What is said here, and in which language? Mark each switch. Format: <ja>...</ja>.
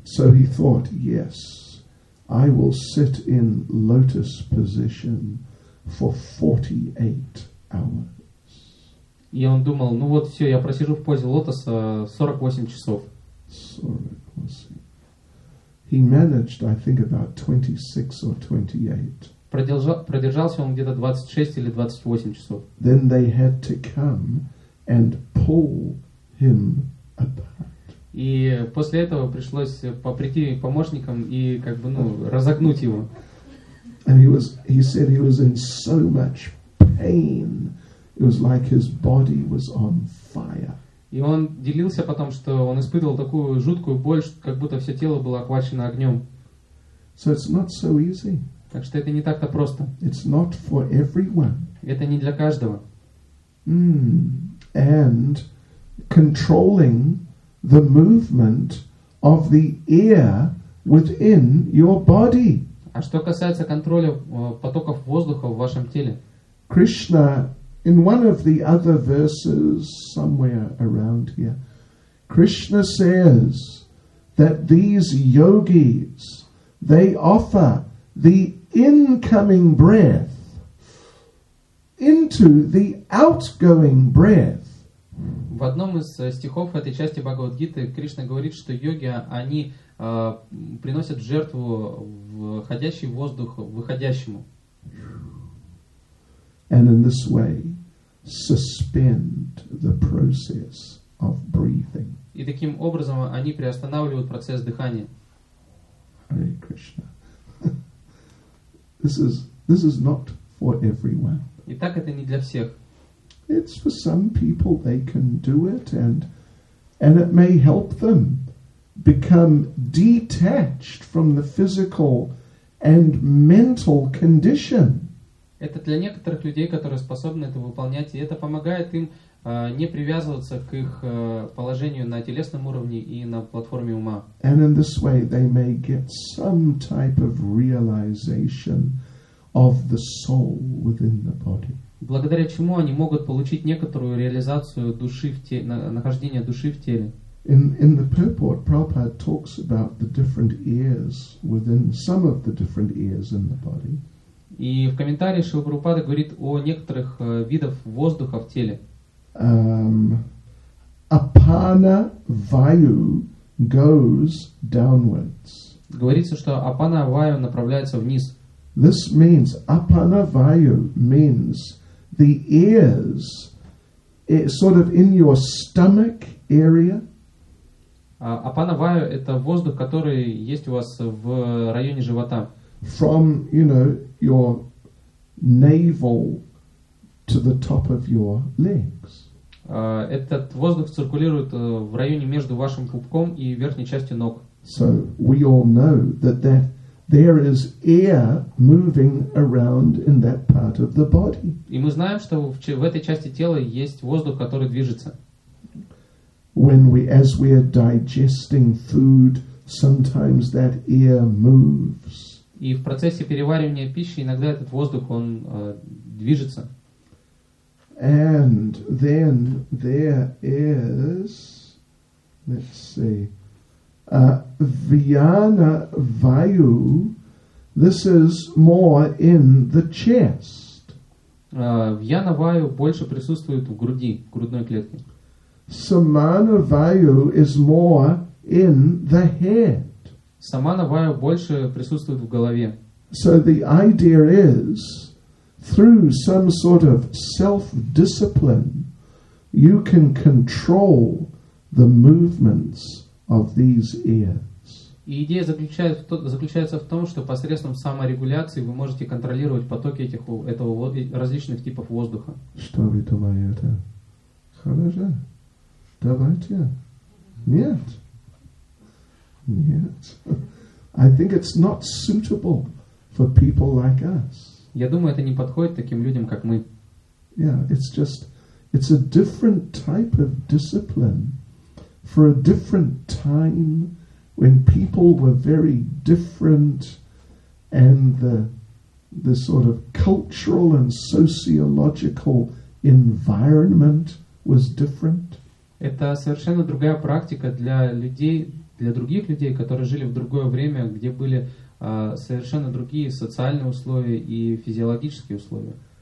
<en>So he thought, yes. I will sit in lotus position for 48 hours.</en> <ru>И он думал, ну вот все, я просижу в позе лотоса 48 часов.</ru> <en>48. He managed, I think, about 26 or 28.</en> <ru>Продержался он где-то 26 или 28 часов.</ru> <en>Then they had to come and pull him apart.</en> <ru>И после этого пришлось прийти к помощникам и разогнуть его.</ru> <en>And he said he was in so much pain. It was like his body was on fire.</en> <ru>И он делился потом, что он испытывал такую жуткую боль, как будто все тело было охвачено огнем.</ru> <en>So it's not so easy.</en> <ru>Так что это не так-то просто.</ru> <en>It's not for everyone.</en> <ru>Это не для каждого.</ru> <en>And controlling the movement of the air within your body.</en> <ru>А что касается контроля потоков воздуха в вашем теле?</ru> <en>Krishna, in one of the other verses somewhere around here, Krishna says that these yogis, they offer the incoming breath into the outgoing breath.</en> <ru>В одном из стихов этой части Бхагавад-гиты Кришна говорит, что йоги, они приносят жертву входящий воздух выходящему.</ru> <en>And in this way suspend the process of breathing.</en> <ru>И таким образом они приостанавливают процесс дыхания.</ru> <en>Hare Krishna. This is not for everyone.</en> <ru>Итак, это не для всех.</ru> <en>It's for some people, they can do it, and it may help them become detached from the physical and mental condition.</en> <ru>Это для некоторых людей, которые способны это выполнять, и это помогает им не привязываться к их положению на телесном уровне и на платформе ума.</ru> <en>And in this way, they may get some type of realization of the soul within the body.</en> <ru>Благодаря чему они могут получить некоторую реализацию души нахождения души в теле.</ru> <en>In the purport, Prabhupada talks about the different ears within some of the different ears in the body.</en> <ru>И в комментарии Шрила Прабхупада говорит о некоторых видах воздуха в теле.</ru> <en>Apana vayu goes downwards.</en> <ru>Говорится, что апана ваю направляется вниз.</ru> <en>This means apana vayu means the ears, sort of in your stomach area.</en> <ru>Апана ваю – это воздух, который есть у вас в районе живота.</ru> <en>From, you know, your navel to the top of your legs.</en> <ru>Этот воздух циркулирует в районе между вашим пупком и верхней частью ног.</ru> <en>So we all know that there is air moving around in that part of the body.</en> <ru>И мы знаем, что в этой части тела есть воздух, который движется.</ru> <en>As we are digesting food, sometimes that air moves.</en> <ru>И в процессе переваривания пищи иногда этот воздух, он движется.</ru> <en>And then there is, let's see, Vyana Vayu. This is more in the chest.</en> <ru>Vyana Vayu больше присутствует в груди, в грудной клетке.</ru> <en>Samana Vayu is more in the head.</en> <ru>Samana Vayu больше присутствует в голове.</ru> <en>So the idea is, through some sort of self-discipline, you can control the movements of these ears.</en> <ru>И идея заключается в том, что посредством саморегуляции вы можете контролировать потоки этого различных типов воздуха. Что вы думаете? Хорошо. Давайте. Нет. Нет.</ru> <en>I think it's not suitable for people like us.</en> <ru>Я думаю, это не подходит таким людям, как мы.</ru> <en>Yeah, it's a different type of discipline for a different time when people were very different and the sort of cultural and sociological environment was different.</en> <ru>Это совершенно другая практика для людей, для других людей, которые жили в другое время, где были совершенно другие социальные условия и физиологические условия.</ru>